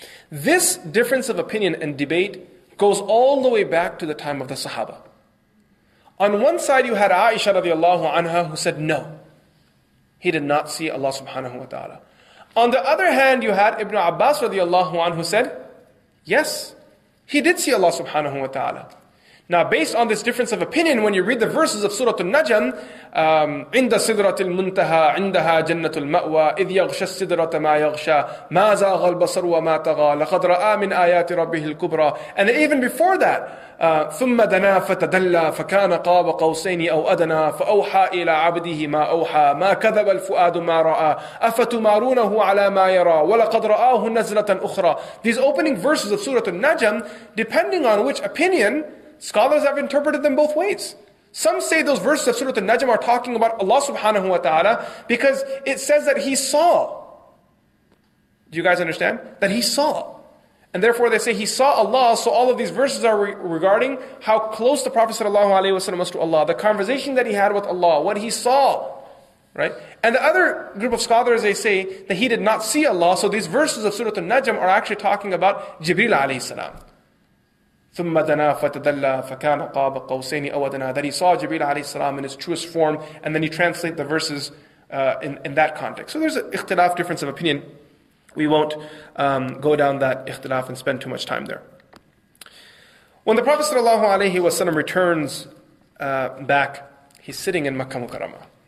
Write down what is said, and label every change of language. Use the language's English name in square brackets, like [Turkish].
[English] This difference of opinion and debate goes all the way back to the time of the Sahaba. On one side you had Aisha radiallahu anha who said no. He did not see Allah subhanahu wa ta'ala. On the other hand, you had Ibn Abbas radiallahu anhu who said, yes, he did see Allah subhanahu wa ta'ala. Now, based on this difference of opinion, when you read the verses of Surah Al-Najm, [Arabic] عند صدرة المنتهى عندها جنة المأوى إذ يغشى الصدرة ما يغشى ما زاغ البصر وما تغى لقد رآ من آيات ربه الكبرى. [English] And even before that, [Arabic] ثم دنا فتدلى فكان قاب قوسين أو أدنى فأوحى إلى عبده ما أوحى ما كذب الفؤاد ما رأى أفتمارونه على ما يرى ولقد رآه نزلة أخرى. [English] These opening verses of Surah Al-Najm, depending on which opinion, scholars have interpreted them both ways. Some say those verses of Surah Al-Najm are talking about Allah subhanahu wa ta'ala because it says that he saw. Do you guys understand? That he saw. And therefore they say he saw Allah, so all of these verses are regarding how close the Prophet sallallahu alayhi wa sallam was to Allah, the conversation that he had with Allah, what he saw. Right? And the other group of scholars, they say that he did not see Allah, so these verses of Surah Al-Najm are actually talking about Jibreel alayhi salam. [Arabic] ثم دنا فتدلى فكان قاب قوسين أو أدنى. [English] That he saw Jibreel alayhi salam in his truest form, and then he translate the verses in that context. So there's an ikhtilaf, difference of opinion. We won't go down that ikhtilaf and spend too much time there. When the Prophet sallallahu alayhi wa sallam returns back, he's sitting in Makkah Mukarramah.